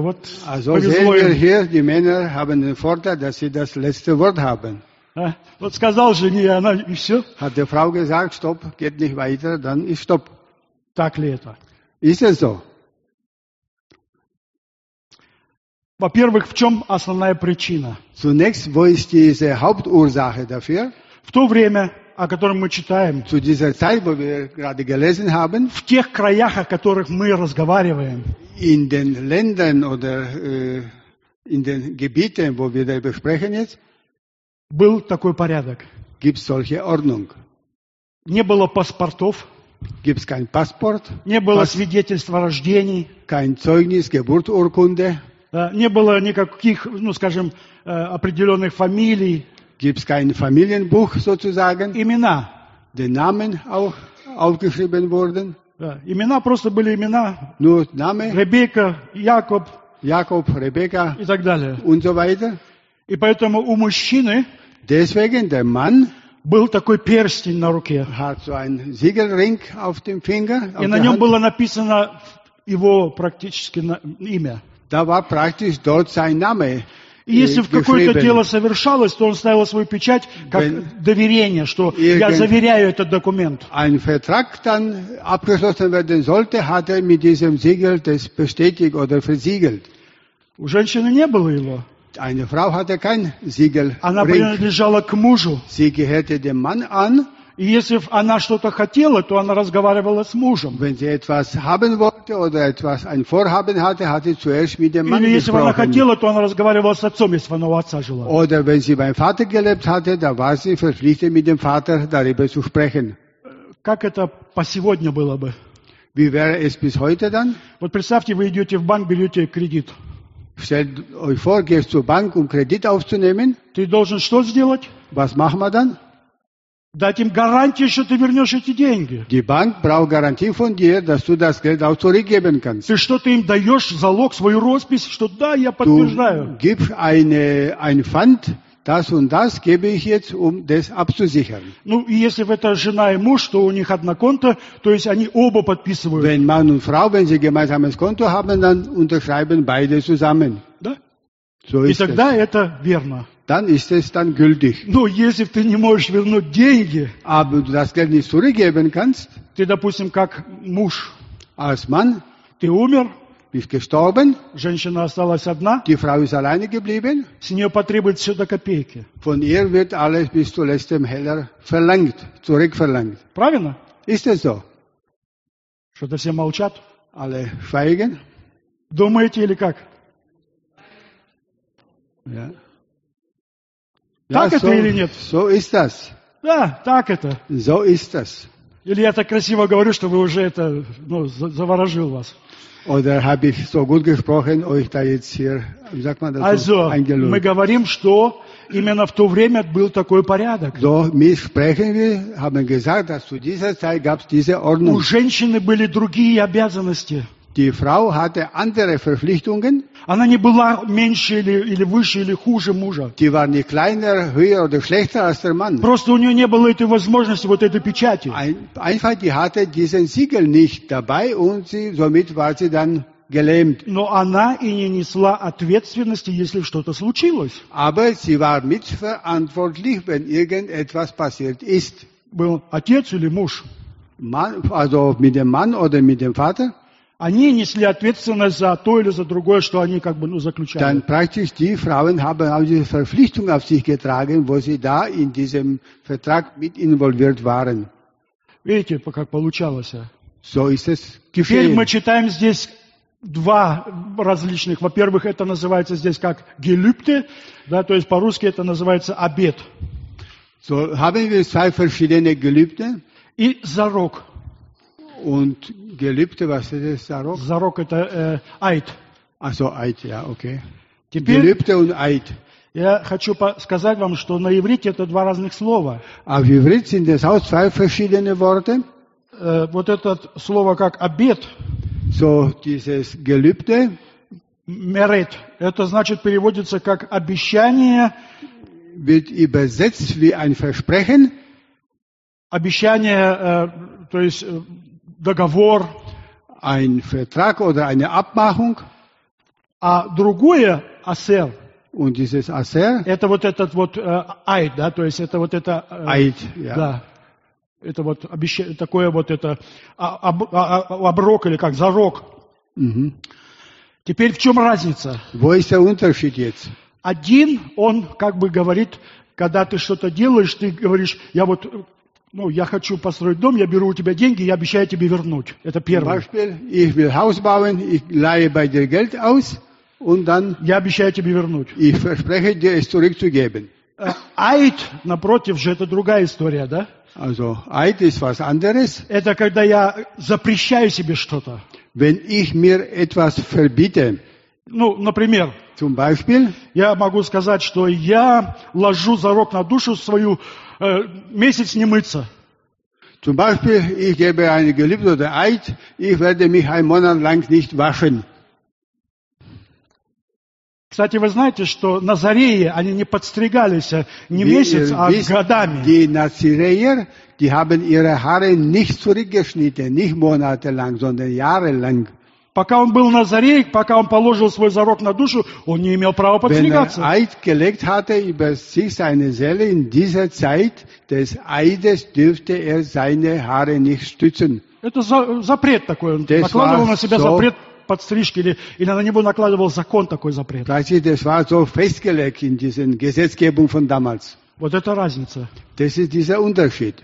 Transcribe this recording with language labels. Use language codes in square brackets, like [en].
[ru] Вот. [de] Also hier, die Männer haben den Vorteil, dass sie das letzte Wort haben. [ru] Вот сказал жене, она и все. [de] Hat die Frau gesagt, stopp, geht nicht weiter, dann ist stopp. [ru] Так ли это? [de] Ist es so? [ru] Во-первых, в чем основная причина? [de] Zunächst, wo ist diese Hauptursache dafür? [ru] В то время, о котором мы читаем, [de] zu dieser Zeit, wo wir gerade gelesen haben, [ru] в тех краях, о которых мы разговариваем, [de] in den Ländern oder in den Gebieten, wo wir darüber sprechen jetzt, [ru] был такой порядок. [de] Gibt es solche Ordnung? [ru] Не было паспортов. [de] Gibt es kein Passport? [ru] Не было свидетельства о рождении. [de] Kein Zeugnis, Geburtsurkunde. [ru] Не было никаких, ну скажем, определенных фамилий. [de] Gibt es kein Familienbuch sozusagen? [ru] Имена. [de] Den Namen auch aufgeschrieben wurden? Ja, [ru] имена просто были имена. [de] Nur Name. Rebecca, Jakob. Jakob, Rebecca. [ru] И так далее. [de] Und so weiter. [ru] И поэтому у мужчины, [de] deswegen der Mann, [ru] был такой перстень на руке. [de] Hat so ein Siegelring auf dem Finger. [ru] И на нем было написано его практически имя. [de] Da war praktisch dort sein Name. [ru] И если в какое-то дело совершалось, то он ставил свою печать как доверение, что я заверяю этот документ. [de] Ein Vertrag dann abgeschlossen werden sollte, hat mit diesem Siegel das bestätigt oder versiegelt. [ru] У женщины не было его. [de] Eine Frau hatte kein Siegel. [ru] Она принадлежала к мужу. [de] Sie gehörte dem Mann an. [ru] И если она что-то хотела, то она разговаривала с мужем. [de] Wenn sie etwas haben wollte oder etwas ein Vorhaben hatte, hat sie zuerst mit dem Mann gesprochen. [ru] Или если она хотела, то она разговаривала с отцом, если она у отца жила. [de] Oder wenn sie beim Vater gelebt hatte, da war sie verpflichtet, mit dem Vater darüber zu sprechen. [ru] Как это по сегодня было бы? [de] Wie wäre es bis heute dann? [ru] Вот представьте, вы идете в банк, берете кредит. [de] Stellt euch vor, gehst zur Bank, um Kredit aufzunehmen. [ru] Ты должен что сделать? [de] Was machen wir dann? [ru] дать им гарантию, что ты вернешь эти деньги. [de] Die Bank braucht Garantie von dir, dass du das Geld auch zurückgeben kannst. [ru] Ты что-то им даешь, залог, свою роспись, что да, я подтверждаю. [de] Du gibst ein Pfand, das und das gebe ich jetzt, um das abzusichern. [ru] Ну, и если это жена и муж, то у них одно конто, то есть они оба подписывают. [de] Wenn Mann und Frau, wenn sie gemeinsames Konto haben, dann unterschreiben beide zusammen. [ru] Да? [de] So [ru] и тогда это верно. [de] Dann ist es dann gültig. [ru] Но если ты не можешь вернуть деньги, [de] aber du das Geld nicht zurückgeben kannst, [ru] ты, допустим, как муж, [de] als Mann, [ru] ты умер, [de] bist gestorben, [ru] женщина осталась одна, [de] die Frau ist alleine geblieben, [ru] с нее потребуется все до копейки. [de] Von ihr wird alles bis zu letztem Heller verlangt, zurückverlangt. [ru] Правильно? [de] Ist es so? [ru] Что-то все молчат. [de] Alle schweigen. [ru] Думаете или как? [de] Ja. [ru] Так это или нет? [de] So ist das. [ru] Да, так это. [de] So ist das. [ru] Или я так красиво говорю, что вы уже это, ну, заворожил вас. [de] Oder habe ich so gut gesprochen, euch da jetzt hier, wie sagt man das, also, eingelöst. [ru] Мы говорим, что именно в то время был такой порядок. [de] So, wir sprechen, wir haben gesagt, dass zu dieser Zeit gab es diese Ordnung. [ru] У женщины были другие обязанности. [de] Die Frau hatte andere Verpflichtungen. [ru] Она не была меньше или выше или хуже мужа. [de] Die war nicht kleiner, höher oder schlechter als der Mann. [ru] Просто у нее не было этой возможности, вот этой печати. [de] Einfach, die hatte diesen Siegel nicht dabei und somit war sie dann gelähmt. [ru] Но она и не несла ответственности, если что-то случилось. [de] Aber sie war mitverantwortlich, wenn irgendetwas passiert ist. [ru] Был отец или муж? [de] Mann, also mit dem Mann oder mit dem Vater? [ru] Они несли ответственность за то или за другое, что они как бы, ну, заключали. [de] Dann praktisch die Frauen haben auch diese Verpflichtung auf sich getragen, wo sie da in diesem Vertrag mit involviert waren. [ru] Видите, как получалось. [de] So ist es geschehen. [ru] Теперь мы читаем здесь два различных. Во-первых, это называется здесь как Gelübde, да, то есть по-русски это называется обет. [de] So haben wir zwei verschiedene Gelübde. [ru] И зарок. [de] Und Gelübde, was ist das, Zarok? [ru] Zarok, это Eid. [de] Ach so, Eid, ja, okay. [ru] Теперь [de] Gelübde und Eid. [ru] Я хочу сказать вам, что на иврите это два разных слова. А в иврите [de] sind das auch zwei verschiedene Worte. [ru] Вот это слово как обет. [de] So, dieses Gelübde. Meret. [ru] Это значит, переводится как обещание. [de] Wird übersetzt wie ein Versprechen. [ru] Обещание, то есть договор, [de] ein Vertrag oder eine Abmachung. [ru] А другое Асер. [de] Und dieses Асер? [ru] Это вот этот вот Айд, да, то есть это вот это. [de] Айд, ja. [ru] Да. Это вот такое вот это оброк или как зарок. Mm-hmm. Теперь в чем разница? [de] Wo ist der Unterschied jetzt? [ru] Один, он как бы говорит, когда ты что-то делаешь, ты говоришь, я вот. Ну, я хочу построить дом, я беру у тебя деньги, я обещаю тебе вернуть. Это первое. [de] Beispiel, ich will Haus bauen, ich leihe bei dir Geld aus und dann [ru] я обещаю тебе вернуть. [de] Ich verspreche dir es zurückzugeben. [ru] Eid, напротив же, это другая история, да? [de] Also, Eid ist was anderes. [ru] Это когда я запрещаю себе что-то. [de] Wenn ich mir etwas verbiete. [ru] Ну, например, [de] zum Beispiel, [ru] я могу сказать, что я ложу зарок на душу свою месяц не мыться. [de] Zum Beispiel, ich gebe ein Gelübde oder Eid, ich werde mich einen Monat lang nicht waschen. [ru] Кстати, вы знаете, что Назареи, они не подстригались не месяц, а годами. [de] Die Nazireer, die haben ihre Haare nicht zurückgeschnitten, nicht monatelang, sondern jahrelang. [ru] Пока он был Назарей, пока он положил свой зарок на душу, он не имел права подстригаться. [de] Wenn er Eid gelegt hatte über sich seine Seele in dieser Zeit des Eides, dürfte er seine Haare nicht stützen. [ru] Это запрет такой. Он [de] das [ru] накладывал на себя [de] so [ru] запрет подстрижки или на него накладывал закон такой запрет. Значит, [de] das war so festgelegt in diesen Gesetzgebung von damals. [ru] Вот это разница. [de] Das ist dieser Unterschied.